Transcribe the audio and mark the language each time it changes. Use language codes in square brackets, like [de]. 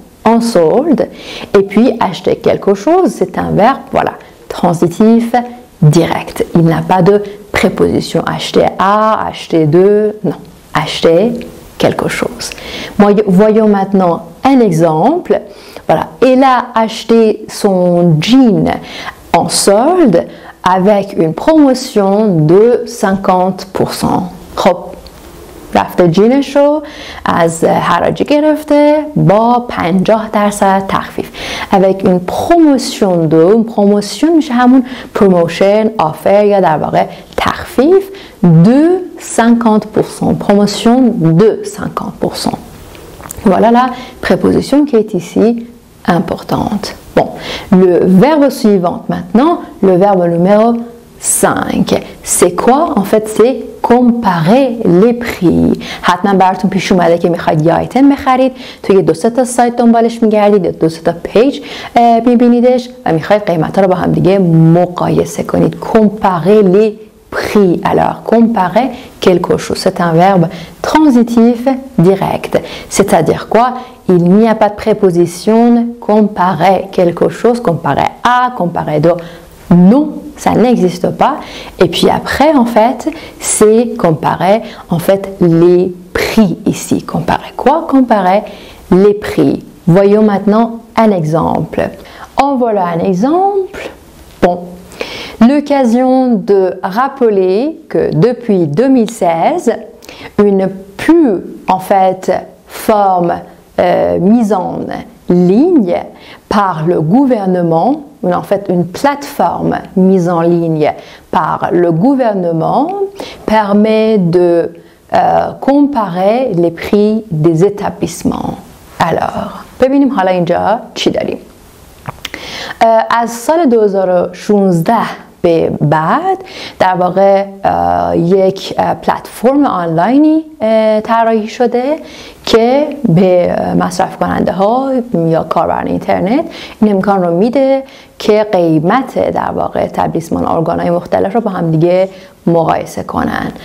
[fr] en solde, et puis acheter quelque chose, c'est un verbe, voilà, transitif, direct. Il n'a pas de préposition acheter à, acheter de, non, acheter quelque chose. Voyons maintenant un exemple. Voilà, elle a acheté son jean en solde avec une promotion de 50%. Hop. [fa] رفته جینشو از حراجی گرفته با 50% تخفیف. [fr] avec une promotion de, une promotion [fa] میشه همون [fr] promotion, offer [fa] یا در واقع تخفیف [fr] de 50%. promotion de 50%. voilà la préposition qui est ici importante. bon, le verbe suivant maintenant, le verbe numéro 5. C'est quoi? En fait, c'est comparer les prix. [fa] حتما براتون پیش اومده که میخواید یه آیتم بخرید، توی دو سه تا سایت دنبالش میگردید، دو سه تا پیج میبینیدش و میخواید قیمت‌ها رو با هم دیگه مقایسه کنید. [fr] comparer les prix. alors, comparer quelque chose. c'est un verbe transitif direct. c'est-à-dire quoi? il n'y a pas de préposition comparer quelque chose, comparer à, comparer de. non, ça n'existe pas. Et puis après, en fait, c'est comparer en fait les prix ici. Comparer quoi? Comparer les prix. Voyons maintenant un exemple. En voilà un exemple. Bon, l'occasion de rappeler que depuis 2016, une pub en fait forme mise en ligne par le gouvernement. En fait, une plateforme mise en ligne par le gouvernement permet de comparer les prix des établissements. [fa] Alors, ببینیم حالا اینجا چی داریم. از سال 2016 به بعد در واقع یک پلتفرم آنلاینی طراحی شده که به مصرف کننده ها یا کاربران اینترنت این امکان رو میده که قیمت در واقع تبلیسمان ارگان های مختلف رو با هم دیگه مقایسه کنن.